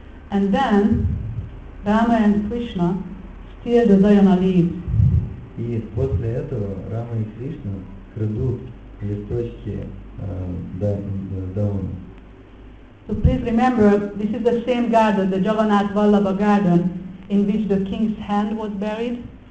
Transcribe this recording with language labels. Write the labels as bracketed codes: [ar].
[en] And then Rama and Krishna steal the dayana leaves. [ru] И после этого Рама и Кришна крадут листочки дауны. [en] So please remember, this is the same garden, the Jagannath Vallabha garden, in which the king's hand was buried.